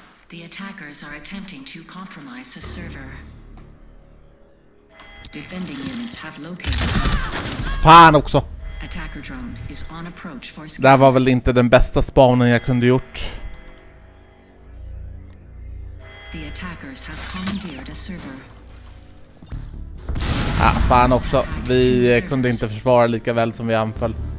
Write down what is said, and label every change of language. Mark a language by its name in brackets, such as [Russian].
[English] The attackers are attempting to compromise the server. Defending units have located. [Swedish] Fan också. [English] Attacker drone is on approach for scan. [Swedish] Det var väl inte den bästa spawnen jag kunde gjort. [English] The attackers have commandeered a server. [Swedish] Ja, fan också. Vi kunde inte försvara lika väl som vi anföll.